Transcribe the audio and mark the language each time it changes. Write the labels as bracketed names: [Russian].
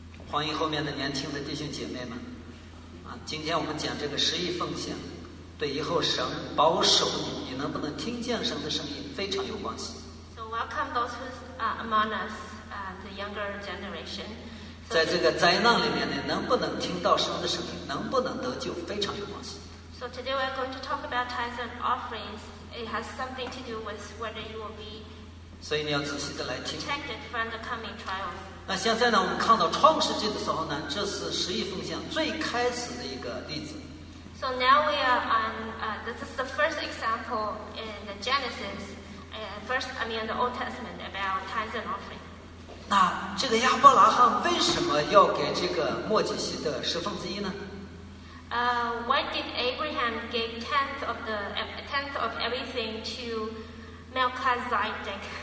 [Chinese] 欢迎后面的年轻的弟兄姐妹们啊，今天我们讲这个十一奉献，对以后神保守你能不能听见神的声音非常有关系。 [English] So welcome those among us, the younger generation. [Chinese] 在这个灾难里面呢，能不能听到神的声音，能不能得救，非常有关系。 [English] So today we're going to talk about tithes and offerings. It has something to do with whether you will be. [Chinese] 所以你要仔细的来听。 [English] Protected from the coming trials. [Chinese] 那现在呢，我们看到创世纪的时候呢，这是十一奉献最开始的一个例子。 [English] So now we are on, this is the first example in the Genesis, the Old Testament about tithes and offerings. [Chinese] 那这个亚伯拉罕为什么要给这个墨迹西的十分之一呢？ [English] Why did Abraham give tenth of everything to Melchizedek?